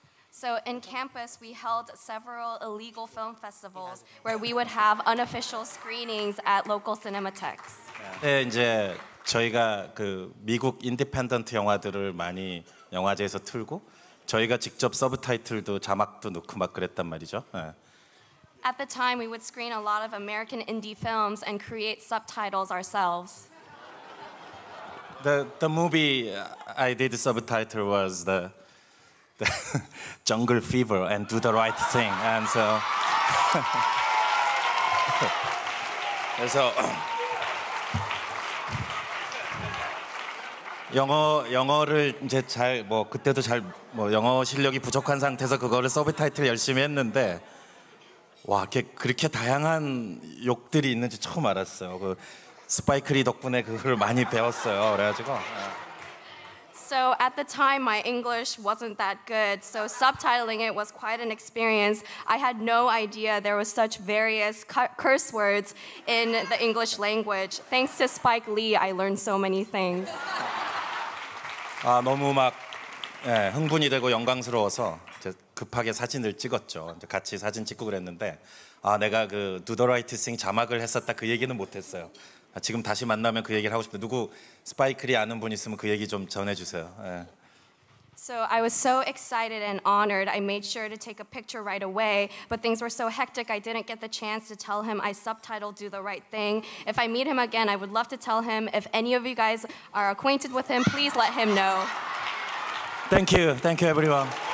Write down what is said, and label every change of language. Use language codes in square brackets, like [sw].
[en] So in campus, we held several illegal film festivals where we would have unofficial screenings at local cinematheques. [ko] 네, 이제 저희가 그 미국 인디펜던트 영화들을 많이 영화제에서 틀고 저희가 직접 서브타이틀도 자막도 넣고 막 그랬단 말이죠. 네. [en] At the time, we would screen a lot of American indie films and create subtitles ourselves. The movie I did the subtitle was the Jungle Fever and Do the Right Thing. And so, [ko] 그래서 영어를 이제 잘 뭐 그때도 잘 뭐 영어 실력이 부족한 상태에서 그거를 서브타이틀 열심히 했는데 와 그렇게 다양한 욕들이 있는지 처음 알았어요. 그, 스파이크리 덕분에 그걸 많이 배웠어요. 그래가지고. [en] So at the time, my English wasn't that good. So subtitling it was quite an experience. I had no idea there was such various curse words in the English language. Thanks to Spike Lee, I learned so many things. [ko] 아 너무 막 예, 흥분이 되고 영광스러워서 급하게 사진을 찍었죠. 같이 사진 찍고 그랬는데 아 내가 그 Do the Right Thing 자막을 했었다 그 얘기는 못했어요. 지금 다시 만나면 그 얘기를 하고 싶은데 누구 스파이크리 아는 분 있으면 그 얘기 좀 전해주세요. 예. [en] So I was so excited and honored. I made sure to take a picture right away, but things were so hectic I didn't get the chance to tell him I subtitled Do the Right Thing. If I meet him again, I would love to tell him. If any of you guys are acquainted with him, please let him know. Thank you, everyone.